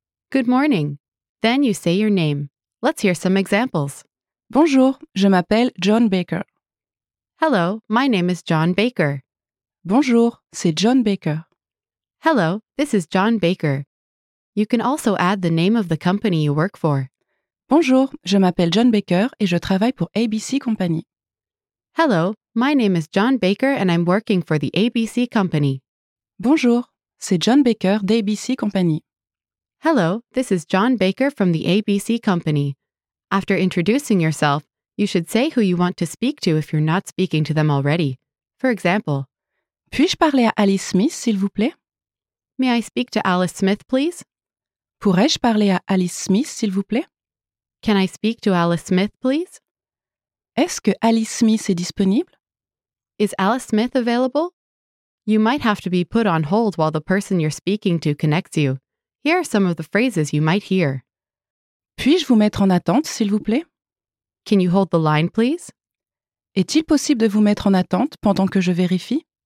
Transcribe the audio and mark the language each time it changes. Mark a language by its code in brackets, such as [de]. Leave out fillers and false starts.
[en] Good morning. Then you say your name. Let's hear some examples. [fr] Bonjour, je m'appelle John Baker. [en] Hello, my name is John Baker. [fr] Bonjour, c'est John Baker. [en] Hello, this is John Baker. You can also add the name of the company you work for. [fr] Bonjour, je m'appelle John Baker et je travaille pour ABC Company. [en] Hello, my name is John Baker and I'm working for the ABC Company. [fr] Bonjour, c'est John Baker d'ABC Company. [en] Hello, this is John Baker from the ABC Company. After introducing yourself, you should say who you want to speak to if you're not speaking to them already. For example, [fr] puis-je parler à Alice Smith, s'il vous plaît? [en] May I speak to Alice Smith, please? [fr] Pourrais-je parler à Alice Smith, s'il vous plaît? [en] Can I speak to Alice Smith, please? [fr] Est-ce que Alice Smith est disponible? [en] Is Alice Smith available? You might have to be put on hold while the person you're speaking to connects you. Here are some of the phrases you might hear. [fr] Puis-je vous mettre en attente, s'il vous plaît? [en] Can you hold the line, please? [fr] Est-il possible de vous mettre en attente pendant que je vérifie?